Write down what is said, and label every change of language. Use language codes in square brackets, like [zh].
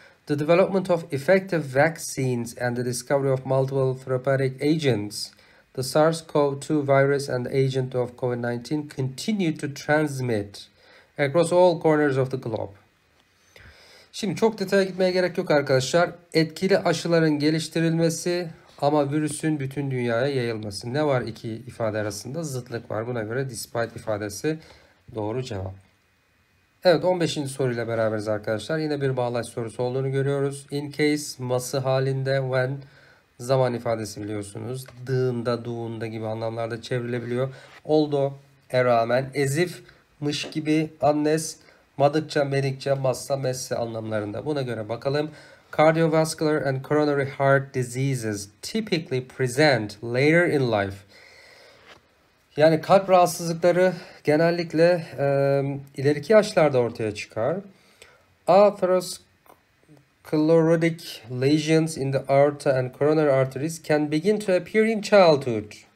[en] The development of effective vaccines and the discovery of multiple therapeutic agents. The SARS-CoV-2 virus and the agent of COVID-19 continue to transmit across all corners of the globe. [tr] Şimdi çok detaya gitmeye gerek yok arkadaşlar. Etkili aşıların geliştirilmesi ama virüsün bütün dünyaya yayılması. Ne var iki ifade arasında? Zıtlık var. Buna göre despite ifadesi doğru cevap. Evet, 15. soruyla beraberiz arkadaşlar. Yine bir bağlaç sorusu olduğunu görüyoruz. In case, ması halinde, when, zaman ifadesi biliyorsunuz. Dığında, doğunda gibi anlamlarda çevrilebiliyor. Although, rağmen, as if, mış gibi, unless, madıkça, medikçe, masla, messe anlamlarında. Buna göre bakalım. [en] Cardiovascular and coronary heart diseases typically present later in life. [tr] Yani kalp rahatsızlıkları genellikle ileriki yaşlarda ortaya çıkar. [en] Atherosclerotic lesions in the aorta and coronary arteries can begin to appear in childhood.